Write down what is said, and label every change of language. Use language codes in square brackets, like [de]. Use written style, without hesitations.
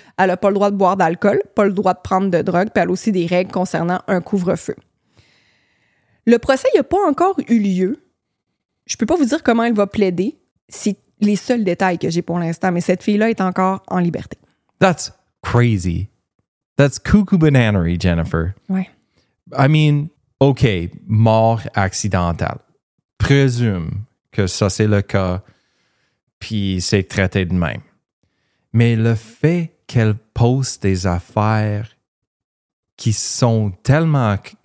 [fr] Elle a pas le droit de boire d'alcool, pas le droit de prendre de drogue, puis elle a aussi des règles concernant un couvre-feu. Le procès, il a pas encore eu lieu. Je peux pas vous dire comment elle va plaider. C'est les seuls détails que j'ai pour l'instant, mais cette fille-là est encore en liberté. [en] That's crazy. That's cuckoo bananery, Jennifer. [fr] Ouais. [en] I mean... OK, [fr] mort accidentale. Présume que ça, c'est le cas, puis c'est traité de même. Mais le fait qu'elle poste des affaires qui sont tellement...